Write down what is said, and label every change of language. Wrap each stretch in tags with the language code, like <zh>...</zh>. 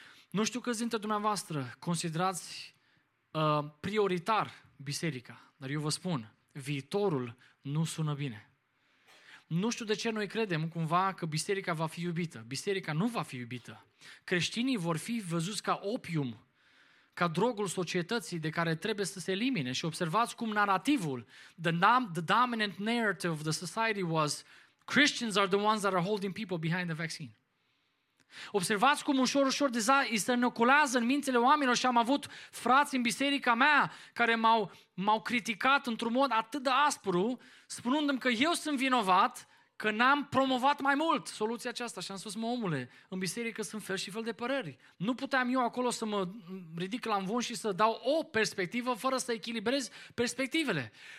<ro>Nu știu câți dintre dumneavoastră considerați prioritar biserica. Dar eu vă spun, viitorul nu sună bine. Nu știu de ce noi credem cumva că biserica va fi iubită. Biserica nu va fi iubită. Creștinii vor fi văzuți ca opium, ca drogul societății de care trebuie să se elimine. Și observați cum narativul,</ro> <en>the dominant narrative of the society was Christians are the ones that are holding people behind the vaccine.</en> <ro>Observați cum ușor îi se înoculează în mințile oamenilor și am avut frați în biserica mea care m-au criticat într-un mod atât de aspru, spunându-mi că eu sunt vinovat, că n-am promovat mai mult soluția aceasta. Și am spus, mă omule, în biserică sunt fel și fel de păreri. Nu puteam eu acolo să mă ridic la învon și să dau o perspectivă fără să echilibrez perspectivele.</ro>